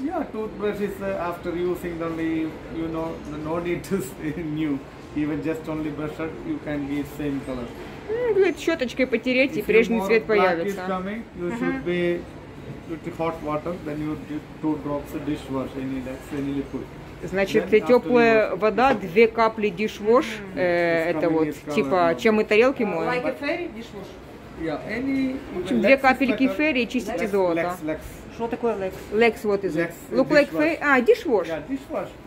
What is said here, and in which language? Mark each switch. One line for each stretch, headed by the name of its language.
English: Yeah, toothbrush is after using only, you know, no need to new. Even just only brush it, you can give same color.
Russian: Говорит, щеточкой потереть, и прежний цвет появится.
English: If more blood is coming, you should be hot water, then you do two drops of dishwash, any less, any liquid.
Russian: Значит, теплая вода, две капли дишвош, это вот, типа, чем мы тарелки моем?
English: Like a fairy dishwash. Yeah, any...
Russian: В общем, две капельки фэри и чистите золото.
English: Lex.
Russian: Что такое Lex?
English: Lex, what is it? Look like fairy...
Russian: А, дишвош.
English: Yeah, dishwash.